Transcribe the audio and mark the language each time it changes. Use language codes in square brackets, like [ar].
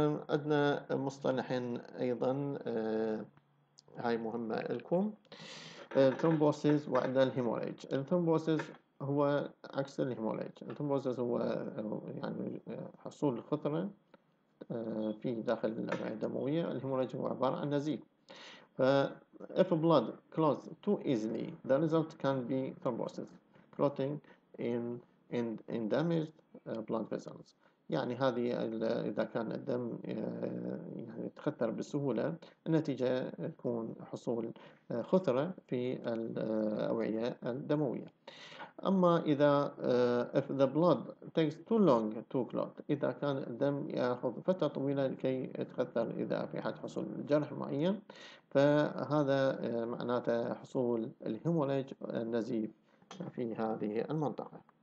[ar] عندنا مصطلحين أيضا هاي مهمة لكم الثرومبوسيس وعند الهيمورايج. الثرومبوسيس هو عكس الهيمورايج. الثرومبوسيس هو يعني حصول خطرة في داخل الأوعية الدموية. الهيمورايج هو عبارة عن نزيف. [en] ف if blood clots too easily the result can be thrombosis clotting in damaged blood vessels. [ar] يعني هذه إذا كان الدم يعني يتخثر بسهولة النتيجة يكون حصول خثرة في الأوعية الدموية. أما إذا [en] if the blood takes too long to clot [ar] إذا كان الدم يأخذ فترة طويلة لكي يتخثر إذا في حال حصول جرح معين فهذا معناته حصول الهيمولاج النزيف في هذه المنطقة.